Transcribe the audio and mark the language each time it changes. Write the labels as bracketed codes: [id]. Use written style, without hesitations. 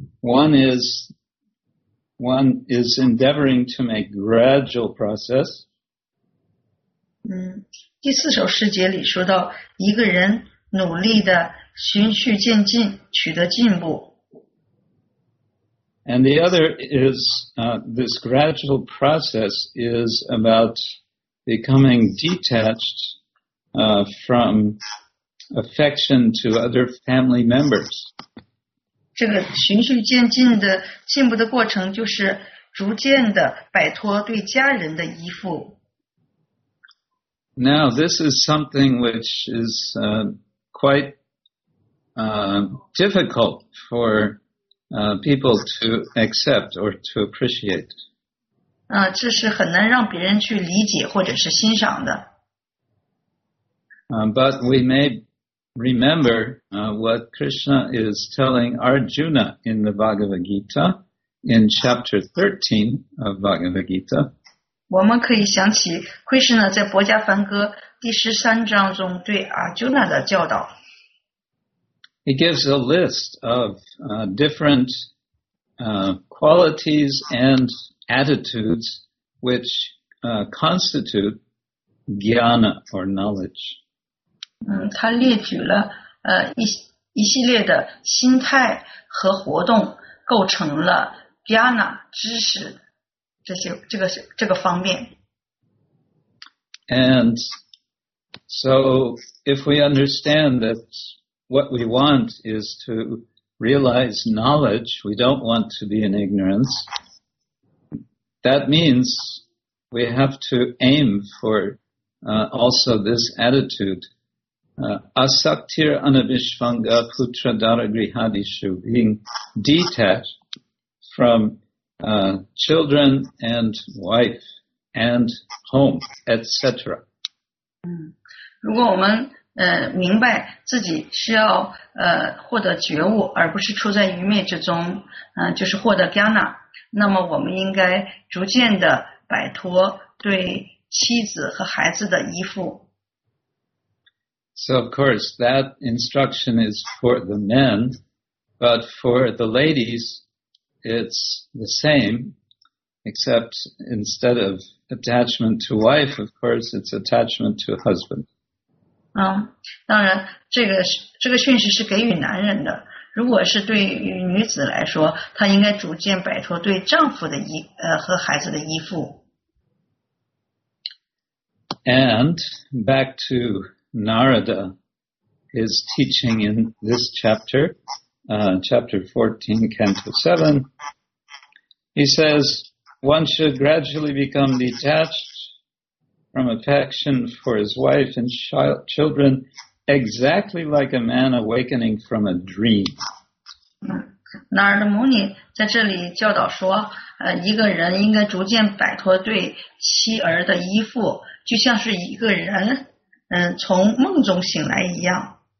[en] One is endeavoring to make gradual process. [zh] 第四首诗节里说到一个人努力的循序渐进取得进步。 [en] And the other is, this gradual process is about becoming detached, from affection to other family members. [zh] 这个循序渐进的进步的过程就是逐渐的摆脱对家人的依附。 [en] Now, this is something which is quite difficult for people to accept or to appreciate. [zh] 这是很难让别人去理解或者是欣赏的。 [en] But we may remember what Krishna is telling Arjuna in the Bhagavad Gita, in chapter 13 of Bhagavad Gita. [zh] 我们可以想起 Krishna 在博迦梵歌第十三章中对 Arjuna 的教导。 [en] He gives a list of different qualities and attitudes which constitute jnana or knowledge. [zh] 他列举了一系列的心态和活动构成了 jnana 知识。这个方面。 [en] And so if we understand that what we want is to realize knowledge, we don't want to be in ignorance, that means we have to aim for also this attitude. [sa] Asaktir anabhishvanga putra daragrihadishu, [en] being detached from children and wife and home, etc. [zh] 如果我们明白自己需要获得觉悟，而不是处在愚昧之中，就是获得 jnana， 那么我们应该逐渐的摆脱对妻子和孩子的依附。 [en] So of course that instruction is for the men, but for the ladies. It's the same, except instead of attachment to wife, of course, it's attachment to husband. [zh] 当然，这个训示是给予男人的。如果是对于女子来说，她应该逐渐摆脱对丈夫的依，和孩子的依附。 [en] And back to Narada, his teaching in this chapter, chapter 14, Canto 7, he says one should gradually become detached from affection for his wife and children, exactly like a man awakening from a dream. [zh] 那儿的母女在这里教导说，一个人应该逐渐摆脱对妻儿的依附，就像是一个人，从梦中醒来一样。